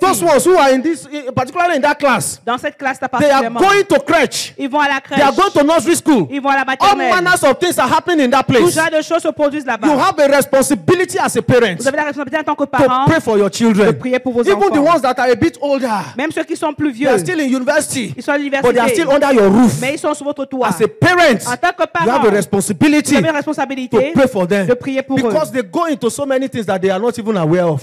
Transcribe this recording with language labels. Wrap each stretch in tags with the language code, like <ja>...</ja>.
<en>Those ones who are in this, particularly in that class.</en> <fr>Dans cette classe,</fr> <en>they are going to crèche.</en> <fr>Ils vont à la crèche.</fr> <en>They are going to nursery school.</en> <fr>Ils vont à la maternelle.</fr> <en>All manners of things are happening in that place.</en> <fr>Tout genre de choses se produisent là-bas.</fr> <en>You have a responsibility as a parent.</en> <fr>Vous avez la responsabilité en tant que parent.</fr> <en>To pray for your children.</en> <fr>De prier pour vos</fr> <en>Even</en> <fr>enfants.</fr> <en>Even the ones that are a bit older.</en> <fr>Même ceux qui sont plus vieux.</fr> <en>They are still in university.</en> <fr>Ils sont à l'université.</fr> <en>But they are still under your roof.</en> <fr>Mais ils sont sous votre toit.</fr> <en>As a parent.</en> <fr>En tant que parent,</fr> <en>you have a responsibility</en> <fr>vous avez une responsabilité</fr> <en>to pray for them</en> <fr>de prier pour</fr> <en>because</en> <fr>eux.</fr> <en>They go into so many things that they are not even aware of.</en>